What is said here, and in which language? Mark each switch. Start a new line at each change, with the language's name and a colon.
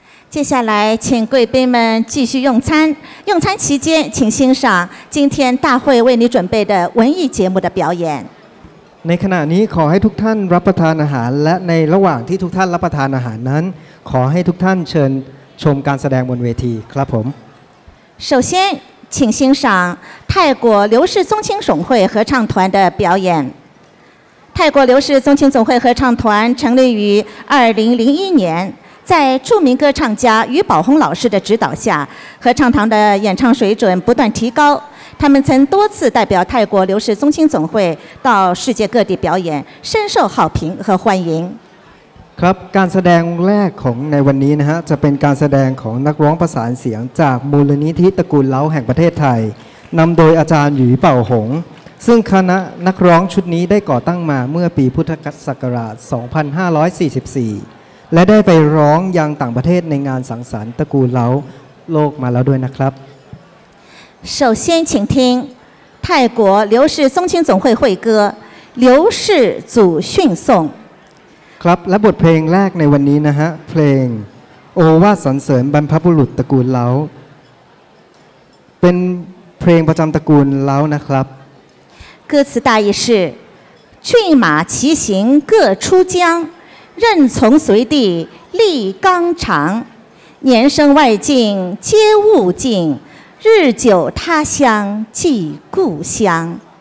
Chinese: 接下来请贵宾们继续用餐，用餐期间请欣赏今天大会为你准备的文艺节目的表演。
Thai: ในขณะนี้ขอให้ทุกท่านรับประทานอาหารและในระหว่างที่ทุกท่านรับประทานอาหารนั้นขอให้ทุกท่านเชิญชมการแสดงบนเวทีครับผม
Chinese: 首先请欣赏泰国刘氏宗亲总会合唱团的表演。泰国刘氏宗亲总会合唱团成立于2001年，在著名歌唱家于宝红老师的指导下，合唱团的演唱水准不断提高。他们曾多次代表泰国刘氏宗亲总会到世界各地表演，深受好评和欢迎。
Thai: ครับ การแสดงแรกของในวันนี้นะฮะจะเป็นการแสดงของนักร้องประสานเสียงจากมูลนิธิตระกูลเล้าแห่งประเทศไทยนำโดยอาจารย์หยีเป่าหงซึ่งคณะนักร้องชุดนี้ได้ก่อตั้งมาเมื่อปีพุทธศักราช2544และได้ไปร้องยังต่างประเทศในงานสังสรรค์ตระกูลเล้าโลกมาแล้วด้วยนะครับ
Chinese: 首先请听泰国刘氏宗亲总会会歌刘氏祖训颂
Thai: ครับและบทเพลงแรกในวันนี้นะฮะเพลงโอวาทสรรเสริญบรรพบุรุษตระกูลเล้าเป็นเพลงประจำตระกูลเล้านะครับ
Chinese: 歌词大意是骏马骑行各出疆任从随地立刚长年生外境皆物境日久他乡即故乡